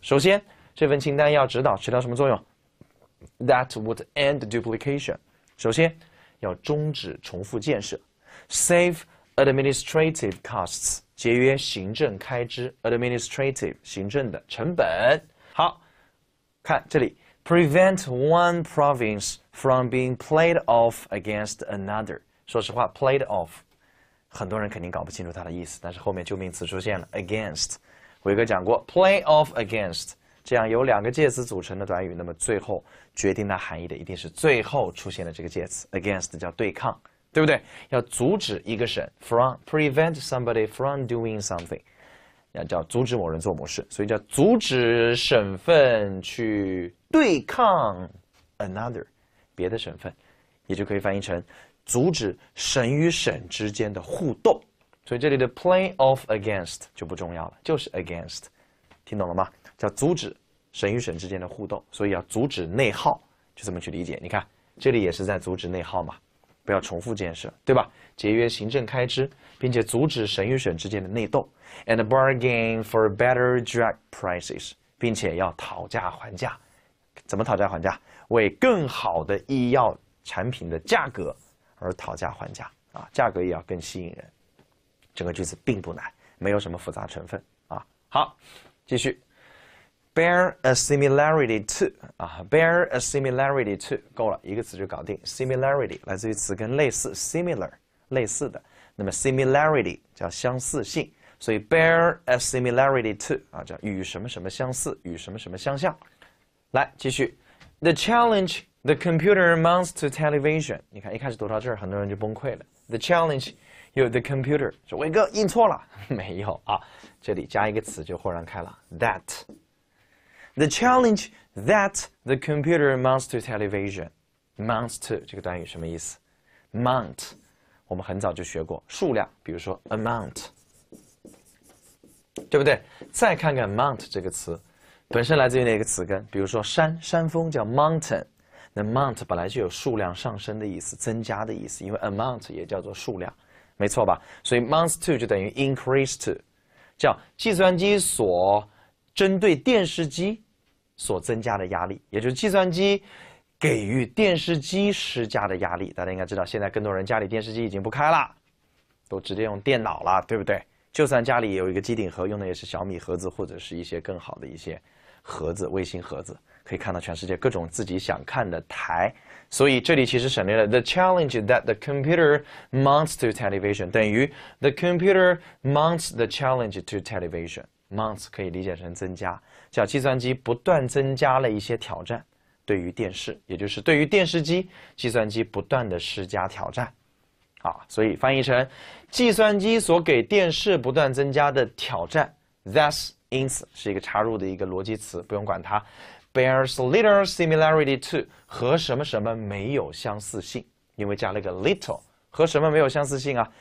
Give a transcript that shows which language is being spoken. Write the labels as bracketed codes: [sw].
[zh] 首先，这份清单要指导起到什么作用 ？ [en] That would end duplication。 [zh] 首先。要终止重复建设 ， [en] save administrative costs， [zh] 节约行政开支 ，administrative 行政的成本。好，看这里 [en] ，prevent one province from being played off against another。 [zh] 说实话 ， [en] played off， [zh] 很多人肯定搞不清楚它的意思，但是后面救命词出现了 against。伟哥讲过 ， [en] play off against。 [zh] 这样由两个介词组成的短语，那么最后决定它含义的一定是最后出现的这个介词 against， 叫对抗，对不对？要阻止一个省 [en] from prevent somebody from doing something， [zh] 要叫阻止某人做某事，所以叫阻止省份去对抗 another 别的省份，也就可以翻译成阻止省与省之间的互动。所以这里的 [en] play off against [zh] 就不重要了，就是 against， 听懂了吗？叫阻止省与省之间的互动，所以要阻止内耗，就这么去理解。你看，这里也是在阻止内耗嘛，不要重复建设，对吧？节约行政开支，并且阻止省与省之间的内斗 ， [en] and bargain for better drug prices， [zh] 并且要讨价还价。怎么讨价还价？为更好的医药产品的价格而讨价还价啊，价格也要更吸引人。整个句子并不难，没有什么复杂成分啊。好，继续。 [en] Bear a similarity to 啊 ，bear a similarity to [zh] 够了，一个词就搞定。 Similarity 来自于词根类似 ，similar 类似的，那么 similarity 叫相似性，所以 [en] bear a similarity to [zh] 啊叫与什么什么相似，与什么什么相像。来继续 ， [en] The challenge the computer mounts to television， [zh] 你看一开始读到这儿，很多人就崩溃了。 [en] The challenge， [zh] 有 [en] the computer， [zh] 说伟哥印错了，没有啊，这里加一个词就豁然开朗 ，that。 [en] The challenge that the computer mounts to television, mounts to [zh] 这个短语什么意思 [en] ？Mount， [zh] 我们很早就学过数量，比如说 [en] amount， 对不对？ [zh] 再看看 mount 这个词，本身来自于哪个词根？比如说山，山峰叫 mountain， 那 mount 本来就有数量上升的意思，增加的意思，因为 amount 也叫做数量，没错吧？所以 [en] mounts to [zh] 就等于 [en] increase to， [zh] 叫计算机所。针对电视机所增加的压力，也就是计算机给予电视机施加的压力。大家应该知道，现在更多人家里电视机已经不开了，都直接用电脑了，对不对？就算家里有一个机顶盒，用的也是小米盒子或者是一些更好的一些盒子，卫星盒子，可以看到全世界各种自己想看的台。所以这里其实省略了 [en] the challenge that the computer mounts to television [zh] 等于 [en] the computer mounts the challenge to television。 [zh] Mounts 可以理解成增加，叫计算机不断增加了一些挑战，对于电视，也就是对于电视机，计算机不断的施加挑战，啊，所以翻译成，计算机所给电视不断增加的挑战 ，thus 因此是一个插入的一个逻辑词，不用管它 ， [en] bears little similarity to [zh] 和什么什么没有相似性，因为加了个 little， 和什么没有相似性啊？